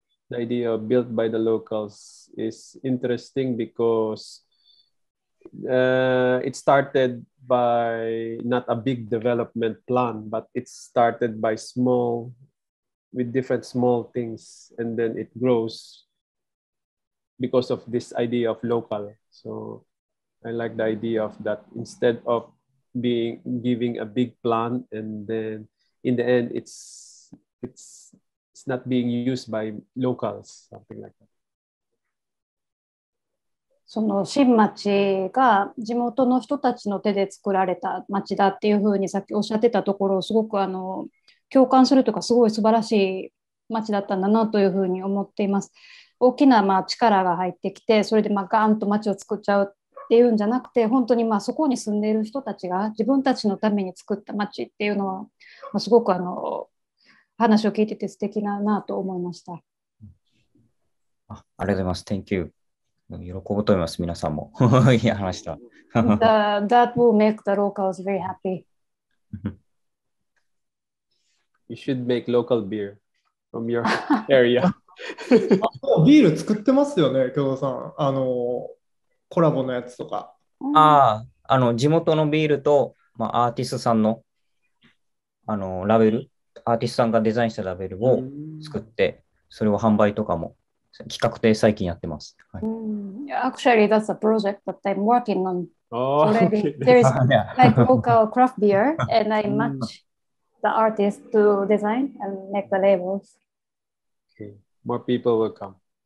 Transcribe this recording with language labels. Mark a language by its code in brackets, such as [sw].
[en] The idea of built by the locals is interesting because it started by not a big development plan, but it started by small, with different small things, and then it grows because of this idea of local. So I like the idea of that instead ofBeing giving a big plan and then in the end it's not being used by locals, something like that. [ja] その新町が地元の人たちの手で作られた町だっていうふうにさっきおっしゃってたところ、すごく共感するとか、すごい素晴らしい町だったんだなというふうに思っています。大きなまあ力が入ってきて、それでまあガーンと町を作っちゃうっていうんじゃなくて、本当にまあそこに住んでいる人たちが自分たちのために作った街っていうのは、まあ、すごく話を聞いてて素敵だなと思いました。ありがとうございます。 [en] Thank you。 [ja] 喜ぶと思います、皆さんも。いい話した。 [en] That will make the locals very happy. You should make local beer from your area. [ja] ビール作ってますよね、京都さん。コラボのやつとか、地元のビールと、まあ、アーティストさんの、ラベル、アーティストさんがデザインしたラベルを作って、それを販売とかも企画で最近やってます。はい、 [en] Actually, that's a project that I'm working on already. There is like local craft beer, and I match the artist to design and make the labels. Okay, more people will come.